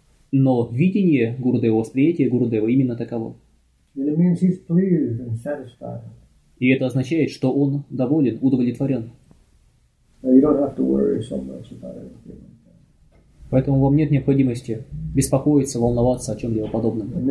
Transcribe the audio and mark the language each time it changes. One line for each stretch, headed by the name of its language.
Russian: Но видение Гурудева, восприятие Гурудева именно таково.
English: It means he's pleased and satisfied.
Russian: И это означает, что он доволен, удовлетворен.
English: You don't have to worry so much about it.
Russian: Поэтому вам нет необходимости беспокоиться, волноваться о чем-либо подобном.